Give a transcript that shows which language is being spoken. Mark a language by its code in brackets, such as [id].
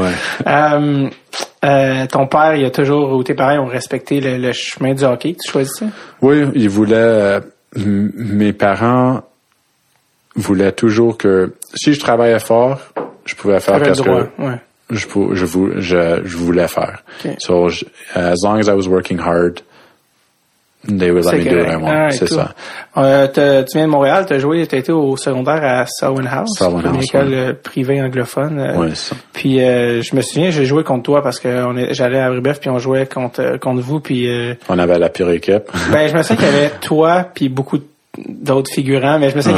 [fr] Ouais. Ton père, il a toujours, ou tes parents ont respecté le chemin du hockey. Tu choisis ça? Oui, il voulait... mes parents voulaient toujours que... Si je travaillais fort, je pouvais faire qu'est-ce que... Ouais. Je voulais faire. Okay. [en] So, as long as I was working hard, they would let me do what I want. [fr] C'est cool. Ça. Tu viens de Montréal, tu as joué, tu as été au secondaire à Selwyn House, une école privée anglophone. Oui, c'est ça. Puis, je me souviens, j'ai joué contre toi parce que j'allais à Rubeuf puis on jouait contre vous. Puis, on avait la pire équipe. Ben, je me souviens qu'il y avait toi puis beaucoup d'autres figurants, mais je me souviens